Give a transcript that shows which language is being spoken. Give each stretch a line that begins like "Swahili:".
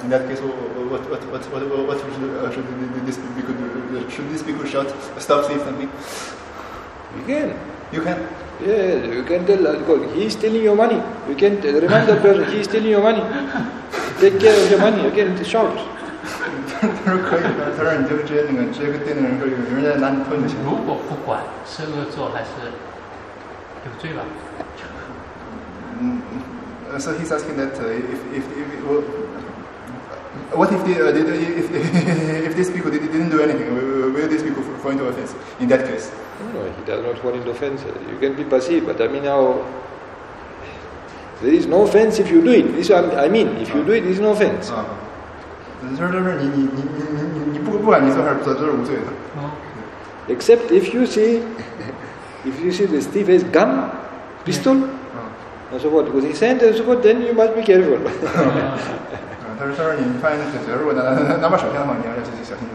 English: In that case, should this people shout stop thief at me? You can. Yeah, you can tell because he's stealing your money. You can remind the person he's stealing your money. Take care of your money. You can shout.
Chinese: 他说可以，他说你就直接那个直接对那个人说，有人在拿你偷你的钱。如果不管是恶作还是有罪吧？
English: So he's asking that if these people didn't do anything, will these people fall into offense in that case? No, he does not fall into offense. You can be passive, but I mean now there is no offense if you do it. This I mean, if you do it, there is no offense.
Chinese: You 不管你做还是不做，都是无罪的。
English: Except if you see If you see the thief has gun, pistol, yeah. And so forth, with his hand and so forth, then you must be careful.
Chinese: 他说你发现那选择如果拿把手枪的话你要小心